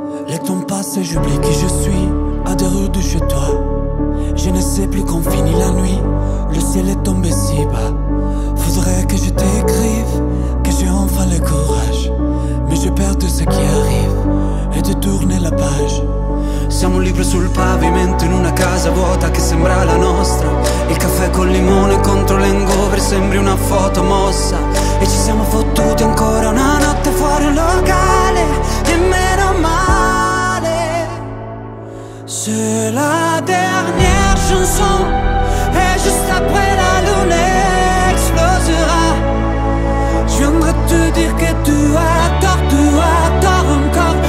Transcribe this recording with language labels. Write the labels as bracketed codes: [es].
[fr] Le temps passe et j'oublie qui je suis, à des rues de chez toi. Je ne sais plus quand finit la nuit, le ciel est tombé si bas. Faudrait que je t'écrive, que j'ai enfin le courage. Mais je perds tout ce qui arrive, et de tourner la page. [it] Siamo un libro sul pavimento in una casa vuota che sembra la nostra. Il caffè col limone contro l'hangover sembri una foto mossa. E ci siamo fottuti ancora una notte fuori un locale. E meno male se [fr] la dernière chanson est juste après la lune explosera. Je viendrai te dire que tu as tort encore.